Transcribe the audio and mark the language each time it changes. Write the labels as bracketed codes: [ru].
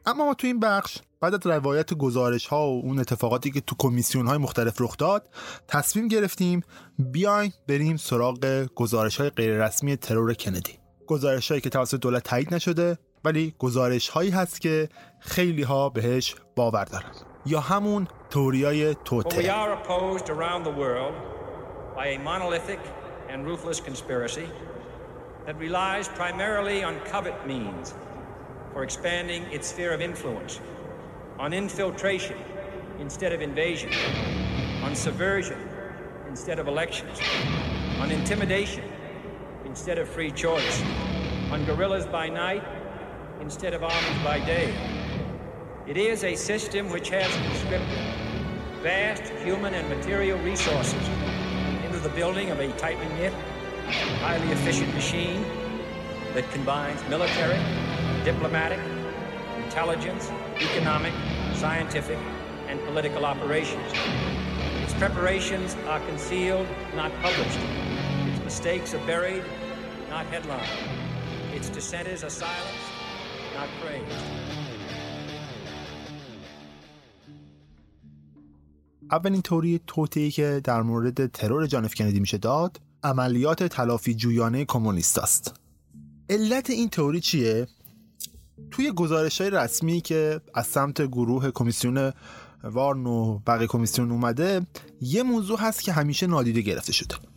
[fa] اما ما تو این بخش بعد از روایت گزارش ها و اون اتفاقاتی که تو کمیسیون های مختلف رخ داد تصمیم گرفتیم بیاین بریم سراغ گزارش های غیررسمی ترور کندی. گزارش هایی که توسط دولت تایید نشده ولی گزارش هایی هست که خیلی ها بهش باور دارن. یا همون توریای توته. [en] We are opposed around the world by a monolithic and ruthless conspiracy that relies primarily on covert means for expanding its sphere of influence, on infiltration instead of invasion, on subversion instead of elections, on intimidation instead of free choice, on guerrillas by night instead of armies by day. It is a system which has conscripted vast human and material resources into the building of a tightly knit, highly efficient machine that combines military, diplomatic, intelligence, economic, scientific, and political operations. Its preparations are concealed, not published. Its mistakes are buried, not headlined. Its dissenters are silenced, not praised. [fa] اولین توری توطئه‌ای که در مورد ترور جان اف کندی میشه داد عملیات تلافی جویانه کمونیست است. علت این توری چیه؟ توی گزارش‌های رسمی که از سمت گروه کمیسیون وارن و بقیه کمیسیون اومده یه موضوع هست که همیشه نادیده گرفته شده.